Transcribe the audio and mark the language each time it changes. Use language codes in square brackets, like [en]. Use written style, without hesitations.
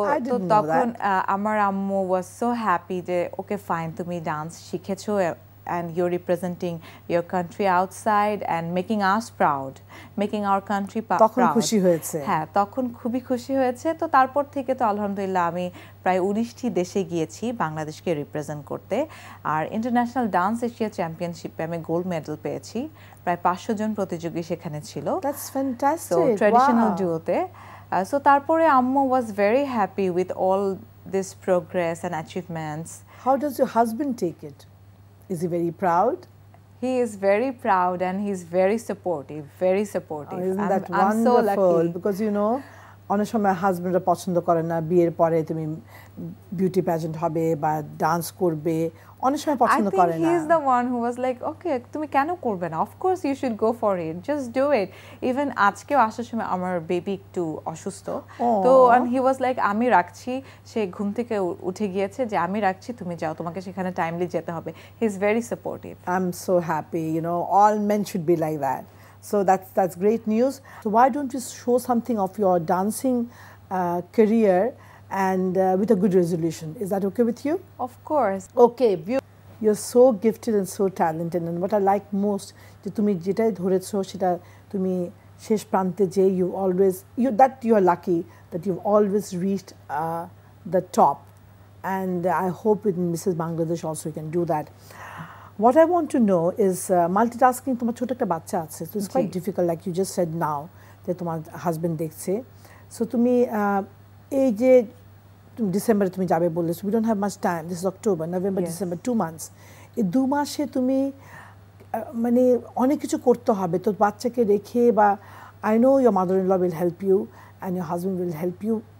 [bn] তো তখন আমার আম্মু ওয়াজ সো হ্যাপি যে ওকে ফাইন তুমি ডান্স শিখেছো [en] and you're representing your country outside and making us proud, making our country proud. [bn] তখন খুশি হয়েছে। হ্যাঁ, তখন খুবই খুশি হয়েছে। তো তারপর থেকে তো আলহামদুলিল্লাহ আমি প্রায় 19টি দেশে গিয়েছি বাংলাদেশকে রিপ্রেজেন্ট করতে। আর ইন্টারন্যাশনাল ডান্স এশিয়া চ্যাম্পিয়নশিপে আমি গোল্ড মেডেল পেয়েছি। প্রায় 500 জন প্রতিযোগী সেখানে ছিল। [en] That's fantastic. So traditional duo-তে। So তারপরে আম্মু was very happy with all this progress and achievements. How does your husband take it? Is he very proud? He is very proud and he's very supportive, very supportive. Oh, isn't that wonderful? I'm so lucky. [bn] Because you know, অনেক সময় husband পছন্দ করে না বিয়ের পরে তুমি beauty পেজেন্ট হবে বা ডান্স করবে অনেক সময় পছন্দ করে না। [en] I think he is the one who was like, okay, তুমি কেন করবে না? Of course you should go for it, just do it. [bn] Even আজকে আসার সময় আমার বেবি একটু অসুস্থ, তো and he was like, আমি রাখছি, সে ঘুম থেকে উঠে গিয়েছে যে আমি রাখছি, তুমি যাও, তোমাকে সেখানে টাইমলি যেতে হবে. [en] He is very supportive. I'm so happy, you know, all men should be like that. So that's great news. So why don't you show something of your dancing career and with a good resolution? Is that okay with you? Of course. Okay. You're so gifted and so talented. And what I like most, যে তুমি যেটাই ধরেছো সেটা তুমি শেষ প্রান্তে যে you're lucky that you've always reached the top. And I hope with Mrs. Bangladesh also you can do that. What I want to know is multitasking তোমার ছোট একটা বাচ্চা আছে, তো it's quite difficult, like you just said now যে তোমার husband দেখছে. So তুমি এই যে ডিসেম্বরে তুমি যাবে বললে, so we don't have much time, this is October, November, December, two months. [bn] এই দু মাসে তুমি মানে অনেক কিছু করতে হবে তো বাচ্চাকে রেখে, বা I know your mother in law will help you and your husband will help you.